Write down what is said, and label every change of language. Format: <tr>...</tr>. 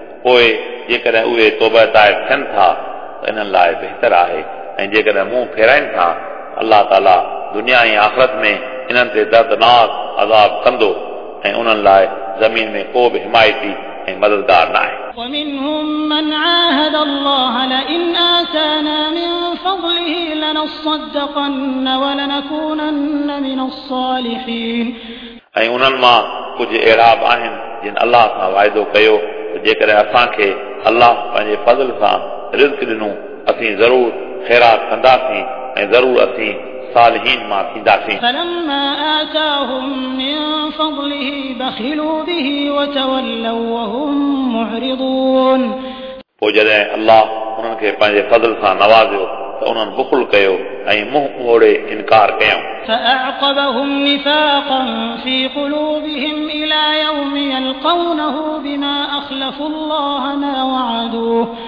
<sd>पोइ जेकॾहिं उहे तौबताए थियनि था त इन्हनि लाइ बहितर आहे ऐं जेकॾहिं मुंहुं फेराइनि था अलाह ताला दुनिया ऐं आख़िरत में इन्हनि ते दर्दनाक अज़ाब कंदो ऐं उन्हनि लाइ ज़मीन में को बि हिमायती ऐं मददगार न आहे.</sd> <ar>ومنهم من عاهد الله لئن آتانا من فضله لنصدقن ولنكونن من الصالحين.</ar> <sd>ऐं उन्हनि मां कुझु अहिड़ा बि आहिनि जिन अलाह सां वाइदो कयो त जेकॾहिं असांखे अलाह पंहिंजे फज़ल सां रिज़्क ॾिनो असीं ज़रूरु ख़ैरात कंदासीं ऐं ज़रूरु असीं صالحين ما فيداسين.</sd> <ar>فلما آتاهم من فضله بخلوا به وتولوا وهم معرضون.</ar> <sd>وجد الله انهن کي پنهنجي فضل سان نوازيو ته انهن بخل ڪيو ۽ منهن موڙي انڪار ڪيو.</sd> <ar>فأعقبهم نفاقا في قلوبهم الى يوم يلقونه بما اخلفوا الله ما وعدوه</ar>